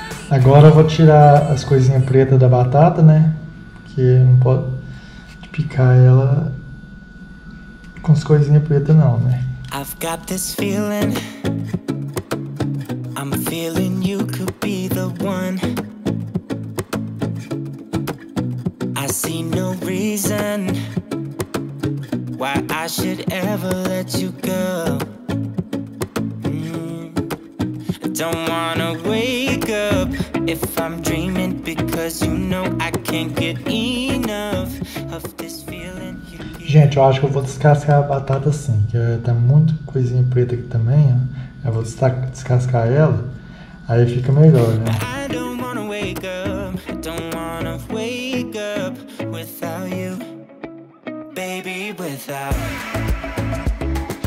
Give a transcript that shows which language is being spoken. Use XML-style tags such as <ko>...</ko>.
<pt>Agora eu vou tirar as coisinhas pretas da batata, né? Porque não pode picar ela com as coisinhas pretas, não, né?</pt> <en>I've got this feeling. I'm feeling you could be the one. I see no reason why I should ever let you go. Don't wanna wake up if I'm dreaming, because you know I can't get enough of this feeling.</en> <pt>Gente, eu acho que eu vou descascar a batata assim, que tá muito coisinha preta aqui também, ó. Eu vou descascar ela, aí fica melhor, né?</pt> <en>I don't wanna wake up, don't wanna wake up without you, baby, without you.</en>